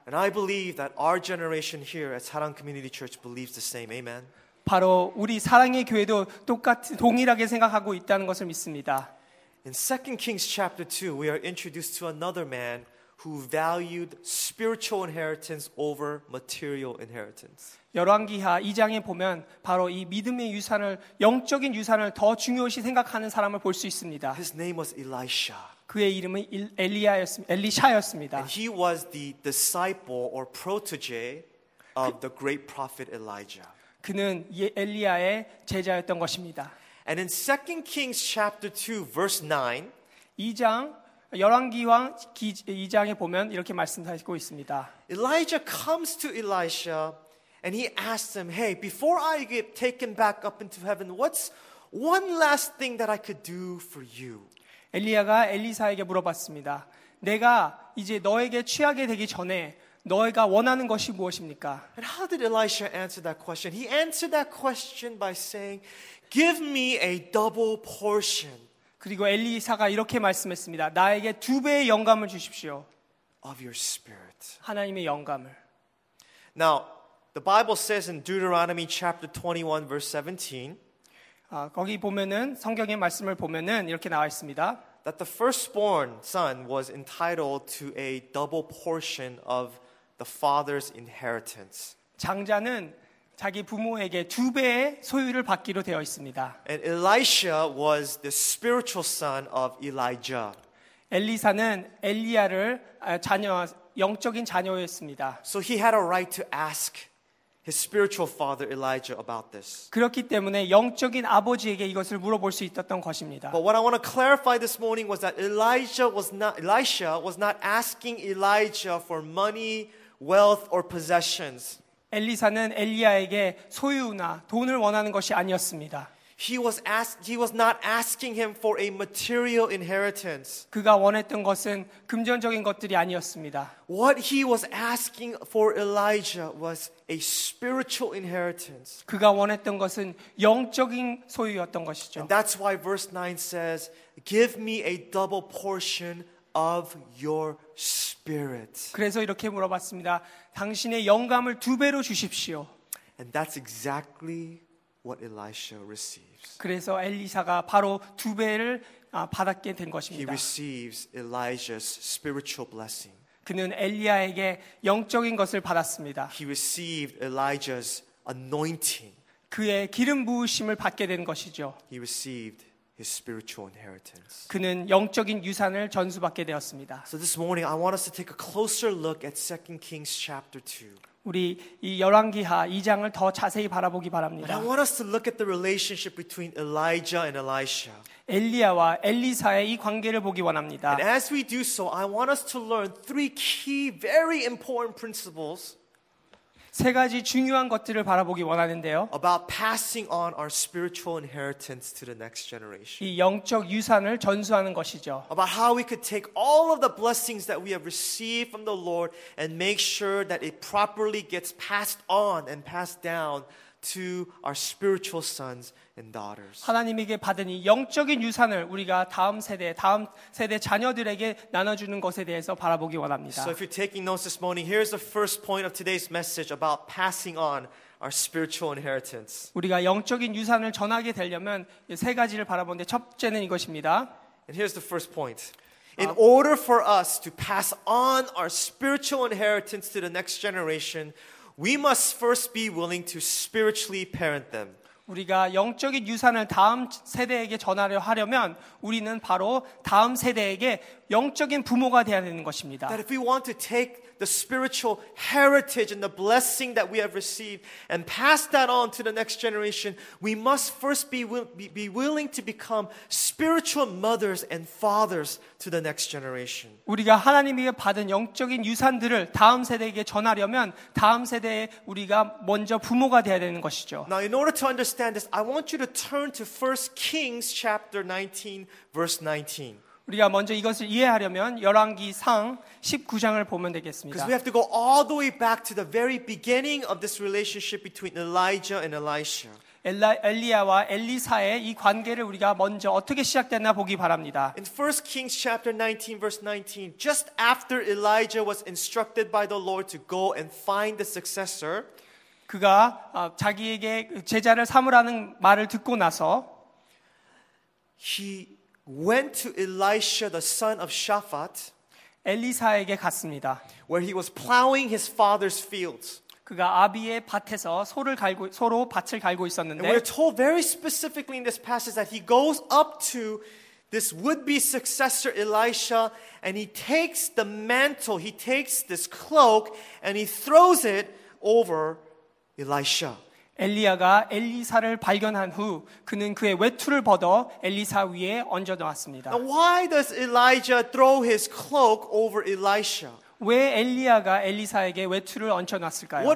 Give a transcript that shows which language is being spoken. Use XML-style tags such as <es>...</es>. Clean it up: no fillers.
<en>And I believe that our generation here at Sarang Community Church believes the same. Amen.</en> <ko>바로 우리 사랑의 교회도 동일하게 생각하고 있다는 것을 믿습니다.</ko> <en>In 2 Kings chapter 2, we are introduced to another man who valued spiritual inheritance over material inheritance.</en> <ko>열왕기하 2장에 보면 바로 이 믿음의 유산을 영적인 유산을 더 중요시 생각하는 사람을 볼 수 있습니다.</ko> <en>His name was Elisha.</en> <ko>그의 이름은 엘리샤였습니다.</ko> <en>And he was the disciple or protege of the great prophet Elijah.</en> <ko>그는 엘리야의 제자였던 것입니다.</ko> <en>And in 2 Kings chapter 2 verse 9,</en> <ko>2장 열왕기왕 2장에 보면 이렇게 말씀하고 있습니다.</ko> <en>Elijah comes to Elisha and he asks him, "Hey, before I get taken back up into heaven, what's one last thing that I could do for you?"</en> <ko>엘리야가 엘리사에게 물어봤습니다. 내가 이제 너에게 취하게 되기 전에 너희가 원하는 것이 무엇입니까?</ko> <en>And how did Elisha answer that question? He answered that question by saying, "Give me a double portion."</en> <ko>그리고 엘리사가 이렇게 말씀했습니다. 나에게 두 배의 영감을 주십시오.</ko> <en>Of your spirit.</en> <ko>하나님의 영감을.</ko> <en>Now, the Bible says in Deuteronomy chapter 21 verse 17.</en> <ko>거기 보면은 성경의 말씀을 보면은 이렇게 나와 있습니다.</ko> <en>That the firstborn son was entitled to a double portion of the father's inheritance.</en> <ko>장자는 자기 부모에게 두 배의 소유를 받기로 되어 있습니다.</ko> <en>And Elisha was the spiritual son of Elijah.</en> <ko>엘리사는 엘리야를 자녀 영적인 자녀였습니다.</ko> <en>So he had a right to ask his spiritual father Elijah about this.</en> <ko>그렇기 때문에 영적인 아버지에게 이것을 물어볼 수 있었던 것입니다.</ko> <en>But what I want to clarify this morning was that Elisha was not asking Elijah for money, wealth or possessions.</en> <ko>엘리사는 엘리야에게 소유나 돈을 원하는 것이 아니었습니다.</ko> <en>He was not asking him for a material inheritance.</en> <ko>그가 원했던 것은 금전적인 것들이 아니었습니다.</ko> <en>What he was asking for Elijah was a spiritual inheritance.</en> <ko>그가 원했던 것은 영적인 소유였던 것이죠.</ko> <en>And that's why verse 9 says, "Give me a double portion of your spirit."</en> <ko>그래서 이렇게 물어봤습니다. 당신의 영감을 두 배로 주십시오.</ko> <en>And that's exactly what Elisha receives.</en> <ko>그래서 엘리사가 바로 두 배를 받았게 된 것입니다.</ko> <en>He receives Elijah's spiritual blessing.</en> <ko>그는 엘리야에게 영적인 것을 받았습니다.</ko> <en>He received Elijah's anointing.</en> <ko>그의 기름 부으심을 받게 된 것이죠.</ko> <en>He received his spiritual inheritance.</en> <ko>그는 영적인 유산을 전수받게 되었습니다.</ko> <en>So this morning I want us to take a closer look at 2 Kings chapter 2.</en> <ko>우리 이 열왕기하 2장을 더 자세히 바라보기 바랍니다.</ko> <en>But I want us to look at the relationship between Elijah and Elisha.</en> <ko>엘리야와 엘리사의 이 관계를 보기 원합니다.</ko> <en>And as we do so, I want us to learn three key, very important principles.</en> <ko>세 가지 중요한 것들을 바라보기 원하는데요.</ko> <en>About passing on our spiritual inheritance to the next generation.</en> <ko>이 영적 유산을 전수하는 것이죠.</ko> <en>About how we could take all of the blessings that we have received from the Lord and make sure that it properly gets passed on and passed down to our spiritual sons and daughters.</en> <ko>하나님에게 받은 이 영적인 유산을 우리가 다음 세대 자녀들에게 나눠 주는 것에 대해서 바라보기 원합니다.</ko> <en>So if you're taking notes this morning, here's the first point of today's message about passing on our spiritual inheritance.</en> <ko>우리가 영적인 유산을 전하게 되려면 세 가지를 바라보는데 첫째는 이것입니다.</ko> <en>And here's the first point. In order for us to pass on our spiritual inheritance to the next generation, We must first be willing to spiritually parent them.</en> <ko>우리가 영적인 유산을 다음 세대에게 전하려 하려면 우리는 바로 다음 세대에게 영적인 부모가 되어야 되는 것입니다.</ko> <en>That if we want to take the spiritual heritage and the blessing that we have received and pass that on to the next generation, we must first be willing to become spiritual mothers and fathers to the next generation.</en> <ko>우리가 하나님에게 받은 영적인 유산들을 다음 세대에게 전하려면 다음 세대에 우리가 먼저 부모가 되어야 되는 것이죠.</ko> <en>Now, in order to understand this, I want you to turn to 1 Kings chapter 19, verse 19.</en> <ko>우리가 먼저 이것을 이해하려면 열왕기상 19장을 보면 되겠습니다.</ko> <en>Because we have to go all the way back to the very beginning of this relationship between Elijah and Elisha.</en> <ko>엘리야와 엘리사의 이 관계를 우리가 먼저 어떻게 시작됐나 보기 바랍니다.</ko> <en>In 1 Kings chapter 19 verse 19, just after Elijah was instructed by the Lord to go and find the successor,</en> <ko>그가 자기에게 제자를 삼으라는 말을 듣고 나서</ko> <en>he went to Elisha the son of Shaphat,</en> <ko>엘리사에게 갔습니다.</ko> <en>Where he was plowing his father's fields.</en> <ko>그가 아비의 밭에서 소로 밭을 갈고 있었는데.</ko> <en>And we're told very specifically in this passage that he goes up to this would-be successor Elisha and he takes the mantle, he takes this cloak and he throws it over Elisha.</en> <ko>엘리야가 엘리사를 발견한 후 그는 그의 외투를 벗어 엘리사 위에 얹어 놓았습니다.</ko> <en>Now why does Elijah throw his cloak over Elisha?</en> <ko>왜 엘리야가 엘리사에게 외투를 얹어 놨을까요?</ko>